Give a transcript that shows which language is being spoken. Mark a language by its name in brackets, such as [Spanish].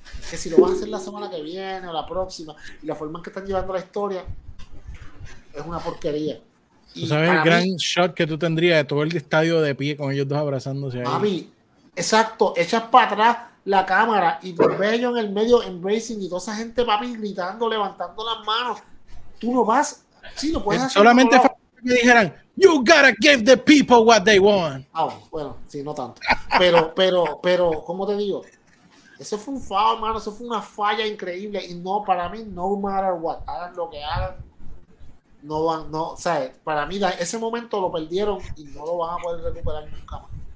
[Spanish] Que si lo vas a hacer la semana que viene o la próxima, y la forma en que están llevando la historia, es una porquería. ¿Tú sabes el gran shot que tú tendrías de todo el estadio de pie con ellos dos abrazándose ahí? Mami, exacto, echas para atrás la cámara y los bellos en el medio [English] embracing [Spanish] y toda esa gente, papi, gritando, levantando las manos. Tú no vas, sí, no puedes hacer. Solamente me dijeran, [English] you gotta give the people what they want. [Spanish] Ah, bueno, sí, no tanto. Pero, ¿cómo te digo? Eso fue un fallo, hermano, eso fue una falla increíble. Y no, para mí, [English] no matter what, [Spanish] hagan lo que hagan, no van, no, o sea, para mí, ese momento lo perdieron y no lo van a poder recuperar nunca más.